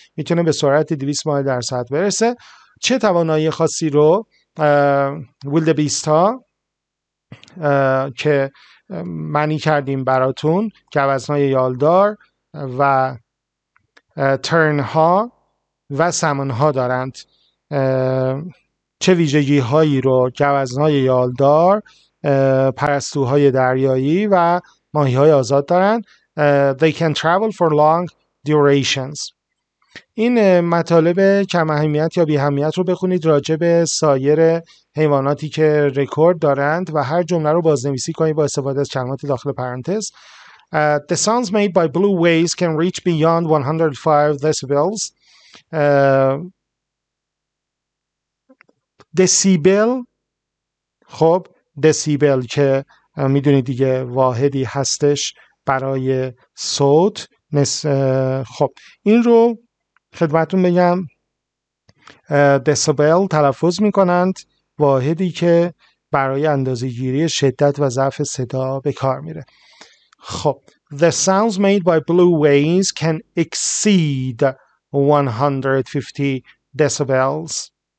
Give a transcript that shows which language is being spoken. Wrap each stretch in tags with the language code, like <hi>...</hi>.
<fa>میتونه به سرعت 200 مایل در ساعت برسه. چه توانایی خاصی رو ویلدبیست‌ها که معنی کردیم براتون، گوزنای یالدار و ترن‌ها و سمن‌ها دارند؟ چه ویژگی‌هایی رو گوزنای یالدار، پرستوهای دریایی و ماهی‌های آزاد دارند؟</fa> <en>They can travel for long durations.</en> <fa>این مطالب کم اهمیت یا بی اهمیت رو بخونید راجع به سایر حیواناتی که رکورد دارند و هر جمله رو بازنویسی کنید با استفاده از کلمات داخل پرانتز.</fa> <en>The sounds made by blue waves can reach beyond 105 decibels.</en> <fa>دسیبل، خب دسیبل که میدونید دیگه واحدی هستش برای صوت. خب این رو خدمتون بگم دسیبل تلفظ میکنند، واحدی که برای اندازه‌گیری شدت و ضعف صدا به کار میره.</fa> <en>خب the sounds made by blue waves can exceed 150 decibels.</en>